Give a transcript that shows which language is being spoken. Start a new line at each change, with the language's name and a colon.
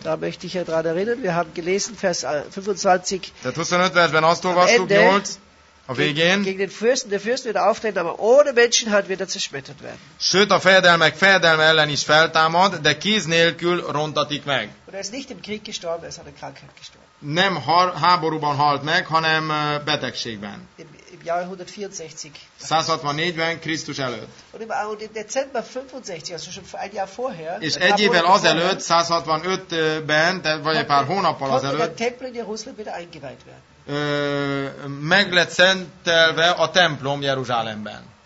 German: Da möchte ich gerade erinnern, wir haben gelesen Vers 25.
Hungarian: Tehát 25 versben azt olvastuk, 8 a végén.
German: Gegen den Fürsten, der Fürst wird auftreten, aber ohne Menschenhand wird er zerschmettert werden.
Hungarian: Sőt, a fejedelmek fejedelme ellen is feltámad, de kéz nélkül rontatik meg.
German: Und er ist nicht im Krieg gestorben, er ist an der Krankheit gestorben.
Hungarian: Nem háborúban halt meg, hanem betegségben. 164-ben Krisztus előtt.
German: Und im Dezember 65, also schon ein Jahr vorher.
Hungarian: És egy évvel azelőtt, 165-ben, vagy egy pár hónappal azelőtt.
German: Konnte der Tempel in Jerusalem wieder eingeweiht werden.
Hungarian: Meg lett szentelve a templom Jeruzsálemben.